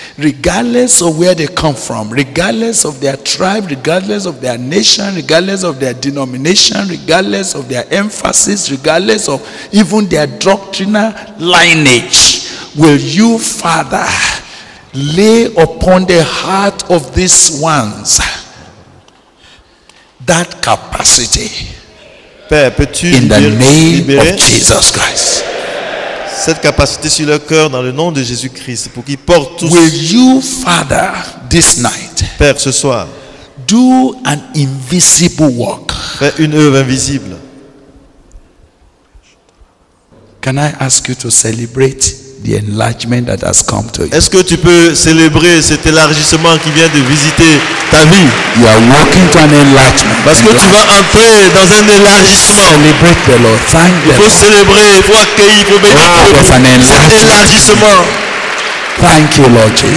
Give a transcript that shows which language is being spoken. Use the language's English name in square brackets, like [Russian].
[English] Regardless of where they come from, regardless of their tribe, regardless of their nation, regardless of their denomination, regardless of their emphasis, regardless of even their doctrinal lineage, will you, Father, lay upon the heart of these ones that capacity? [French] Père, peux-tu [English] in the name of Jesus Christ. [French] Cette capacité sur leur cœur dans le nom de Jésus-Christ pour qu'ils portent tous. [English] Will you, Father, this night, [French] Père, ce soir, [English] do an invisible work. [French] Fais une œuvre invisible. [English] Can I ask you to celebrate the enlargement that has come to you? [French] Est-ce que tu peux célébrer cet élargissement qui vient de visiter ta vie? [English] You are walking to an enlargement. [French] Parce que tu vas entrer dans un élargissement. [English] Celebrate the Lord. Thank the Lord. [French] Il faut célébrer, il faut accueillir, il faut bénir. [English] Wow, [French] cet élargissement. [English] Thank you, Lord Jesus.